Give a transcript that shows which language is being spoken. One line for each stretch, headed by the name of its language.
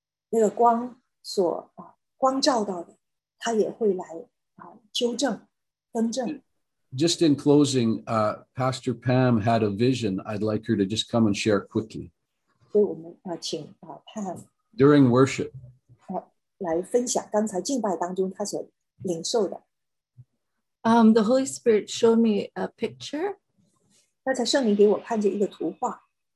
Chinese: 那个光所光照到的,它也会来纠正,更正。
English: Just in closing, Pastor Pam had a vision. I'd like her to just come and share quickly.
Chinese: 所以我们请Pam
English: during worship.
Chinese: 来分享刚才敬拜当中他所领受的。
English: The Holy Spirit showed me a picture.
Chinese: 刚才圣灵给我看见一个图画。